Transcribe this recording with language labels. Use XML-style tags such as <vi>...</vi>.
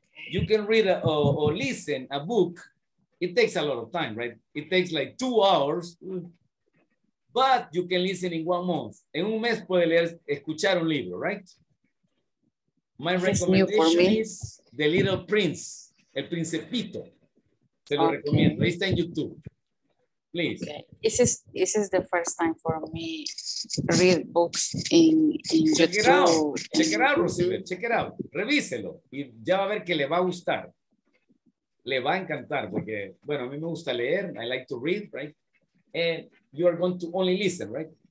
<en>You can read or listen a book. It takes a lot of time, right? It takes like 2 hours, but you can listen in 1 month.</en> <es>En un mes puede leer, escuchar un libro,</es> <en>right? My recommendation is The Little Prince, El Principito.</en> <es>Se lo recomiendo. Ahí está en YouTube.</es> <en>Please. Okay. This is the first time for me read books in check YouTube. Check it out. Check it out, Rosibel. Check it out.</en> <es>Revíselo. Y ya va a ver que le va a gustar. Le va a encantar porque, bueno, a mí me gusta leer.</es> <en>I like to read, right? And you are going to only listen, right?</en>